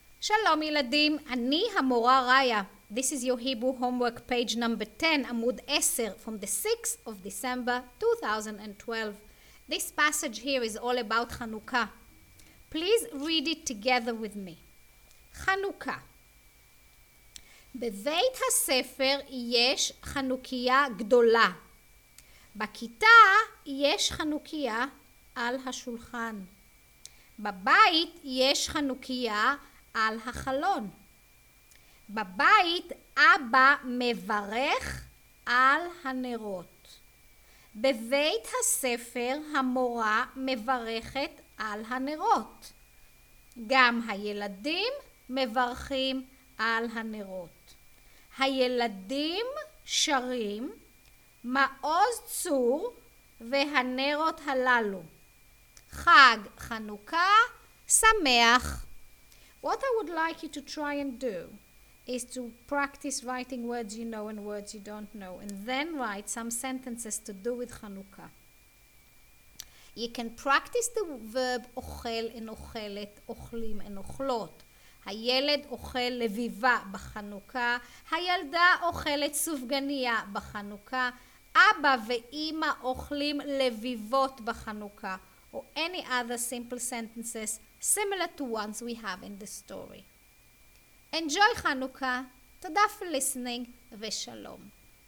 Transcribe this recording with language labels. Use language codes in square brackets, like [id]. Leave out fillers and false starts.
[he] שלום ילדים, אני המורה ראיה. [en] This is your Hebrew homework page number 10, [he] עמוד 10, [en] from the 6th of December 2012. This passage here is all about חנוכה. Please read it together with me. [he] חנוכה. בבית הספר יש חנוכיה גדולה. בכיתה יש חנוכיה על השולחן. בבית יש חנוכיה על החלון. בבית אבא מברך על הנרות. בבית הספר המורה מברכת על הנרות. גם הילדים מברכים על הנרות. הילדים שרים מעוז צור והנרות הללו. חג חנוכה שמח. [en] What I would like you to try and do is to practice writing words you know and words you don't know, and then write some sentences to do with Chanukah. You can practice the verb [he] אוכל אין אוכלת, אוכלים אין אוכלות. הילד אוכל לביבה בחנוכה, הילדה אוכלת סופגניה בחנוכה, אבא ואמא אוכלים לביבות בחנוכה, [en] or any other simple sentences similar to ones we have in the story. Enjoy Chanukah, tada for listening, ve shalom.